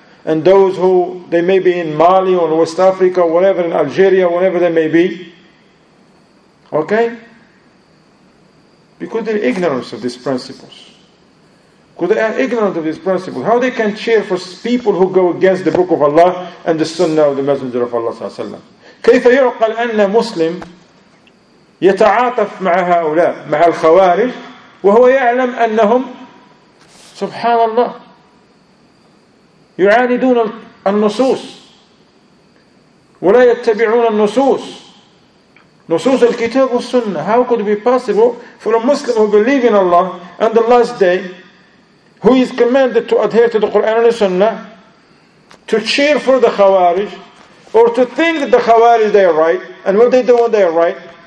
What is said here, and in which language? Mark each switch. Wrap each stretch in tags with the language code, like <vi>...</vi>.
<en>And those who, they may be in Mali or West Africa, whatever, in Algeria, whatever they may be. Okay? Because they're ignorant of these principles. Because they are ignorant of this principle. How they can cheer for people who go against the Book of Allah and the Sunnah of the Messenger of Allah Sallallahu Alaihi Wasallam?</en> <ar>كيف يعقل أن مسلم يتعاطف مع هؤلاء مع الخوارج وهو يعلم أنهم سبحان الله يعاندون النصوص ولا يتبعون النصوص نصوص الكتاب والسنة.</ar> <en>How could it be possible for a Muslim who believes in Allah and the last day, who is commanded to adhere to the Quran and the Sunnah, to cheer for the Khawarij, or to think that the Khawarij they are right, and what they do, they are right?</en>